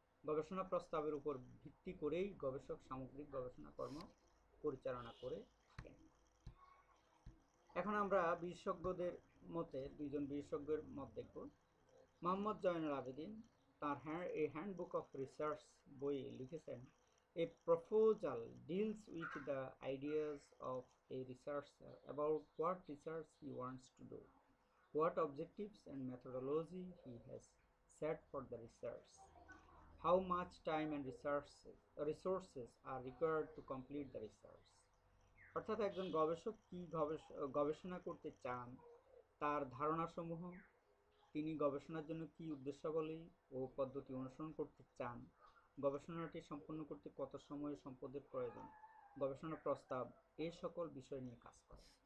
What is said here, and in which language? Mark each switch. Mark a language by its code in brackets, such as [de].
[bn] গবেষণা প্রস্তাবের উপর ভিত্তি করেই গবেষক সামগ্রিক গবেষণা কর্ম পরিচালনা করে থাকেন। এখন আমরা বিশেষজ্ঞদের মতে, দুইজন বিশেষজ্ঞের মত দেখব। মোহাম্মদ জয়নুল আবেদিন তাঁর হ্যান্ড বুক অফ রিসার্চ বই লিখেছেন, [en] A proposal deals with the ideas of a researcher about what research he wants to do, what objectives and methodology he has set for the research, how much time and resources are required to complete the research. [bn] অর্থাৎ একজন গবেষক কি গবেষণা করতে চান, তার ধারণাসমূহ, তিনি গবেষণার জন্য কি উদ্দেশ্যাবলী ও পদ্ধতি অনুসরণ করতে চান, গবেষণাটি সম্পন্ন করতে কত সময় সম্পদের প্রয়োজন, গবেষণা প্রস্তাব, এই সকল বিষয় নিয়ে কাজ করে।